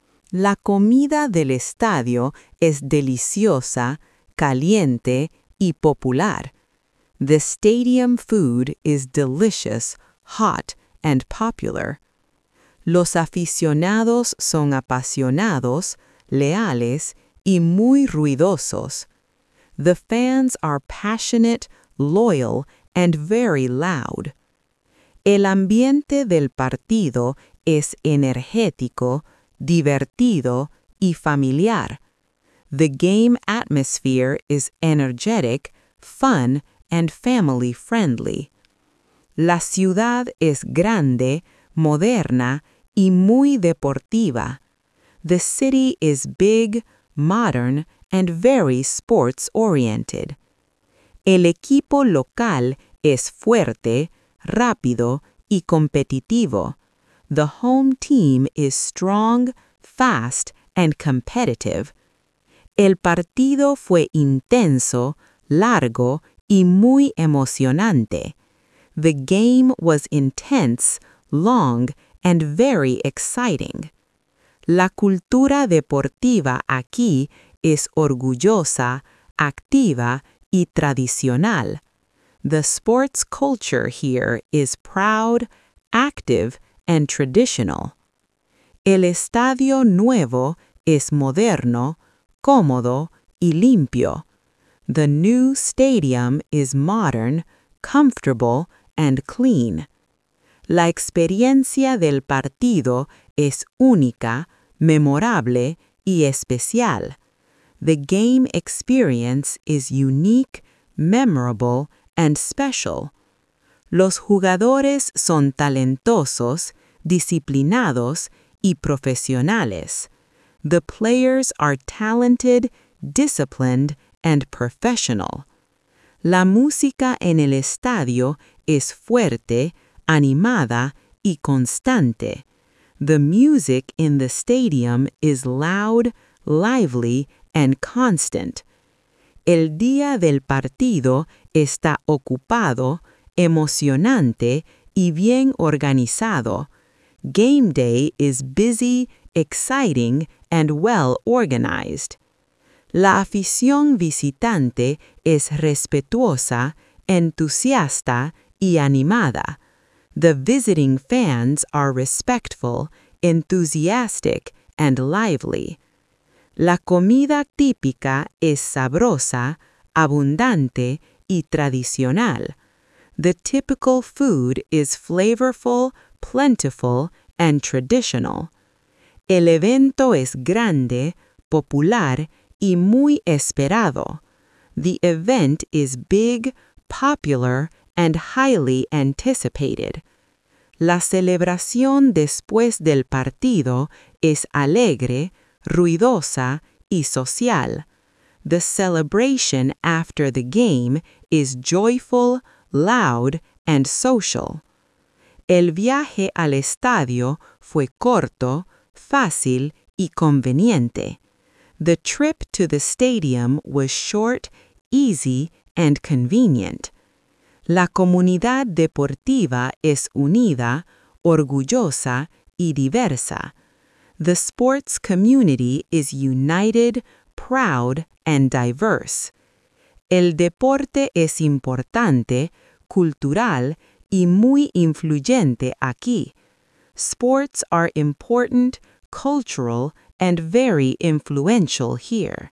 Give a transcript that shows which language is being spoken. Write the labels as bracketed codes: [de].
[es] La comida del estadio es deliciosa, caliente y popular. [en] The stadium food is delicious, hot, and popular. [es] Los aficionados son apasionados, leales y muy ruidosos. [en] The fans are passionate, loyal, and very loud. [es] El ambiente del partido es energético, divertido y familiar. [en] The game atmosphere is energetic, fun, and family friendly. [es] La ciudad es grande, moderna y muy deportiva. [en] The city is big, modern, and very sports oriented. [es] El equipo local es fuerte, rápido y competitivo. [en] The home team is strong, fast, and competitive. [es] El partido fue intenso, largo, y muy emocionante. [en] The game was intense, long, and very exciting. [es] La cultura deportiva aquí es orgullosa, activa, y tradicional. [en] The sports culture here is proud, active, and traditional. [es] El estadio nuevo es moderno, cómodo, y limpio. [en] The new stadium is modern, comfortable, and clean. [es] La experiencia del partido es única, memorable, y especial. [en] The game experience is unique, memorable, and special. [es] Los jugadores son talentosos, disciplinados, y profesionales. [en] The players are talented, disciplined, and professional. [es] La música en el estadio es fuerte, animada, y constante. [en] The music in the stadium is loud, lively, and constant. [es] El día del partido está ocupado, emocionante, y bien organizado. [en] Game day is busy, exciting, and well organized. [es] La afición visitante es respetuosa, entusiasta, y animada. [en] The visiting fans are respectful, enthusiastic, and lively. [es] La comida típica es sabrosa, abundante, y tradicional. [en] The typical food is flavorful, plentiful, and traditional. [es] El evento es grande, popular, y muy esperado. [en] The event is big, popular, and highly anticipated. [es] La celebración después del partido es alegre, ruidosa y social. [en] The celebration after the game is joyful, loud, and social. [es] El viaje al estadio fue corto, fácil y conveniente. [en] The trip to the stadium was short, easy, and convenient. [es] La comunidad deportiva es unida, orgullosa y diversa. [en] The sports community is united, proud, and diverse. [es] El deporte es importante, cultural, y muy influyente aquí. [en] Sports are important, cultural, and very influential here.